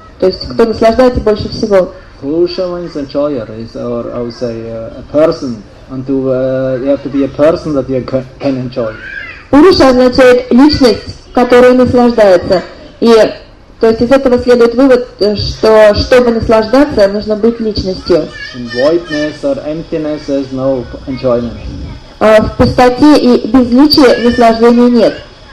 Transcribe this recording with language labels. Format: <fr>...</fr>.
<ru>То есть кто наслаждается больше всего.</ru> <en>Пуруша means enjoyer, is our, I would say, a person. And you have to be a person that you can enjoy.</en> <ru>Пуруша означает личность, которая наслаждается. И то есть из этого следует вывод, что чтобы наслаждаться, нужно быть личностью.</ru> <en>In voidness or emptiness, there's no enjoyment.</en> <ru>В пустоте и безличии наслаждения нет.</ru>